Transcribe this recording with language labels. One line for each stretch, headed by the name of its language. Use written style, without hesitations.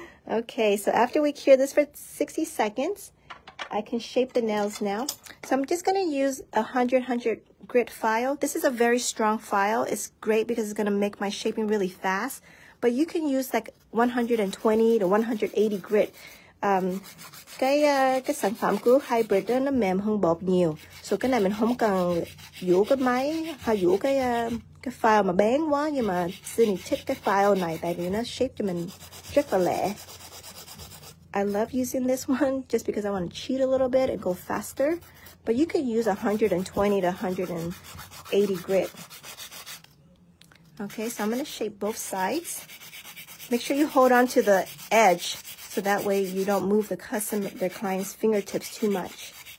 English: Okay, so after we cure this for 60 seconds, I can shape the nails now. So I'm just gonna use a 100-100 grit file. This is a very strong file. It's great because it's gonna make my shaping really fast. But you can use like 120 to 180 grit.
Vietnamese: Cái sản phẩm của hybrid đó nó mềm hơn bột nhiều. So cái này mình không cần dũa cái máy hay dũa cái file mà bén quá. Nhưng mà Sydney thích cái file này tại vì nó shape cho mình rất là lẻ.
English: I love using this one just because I want to cheat a little bit and go faster. But you could use 120 to 180 grit. Okay, so I'm going to shape both sides. Make sure you hold on to the edge so that way you don't move the client's fingertips too much.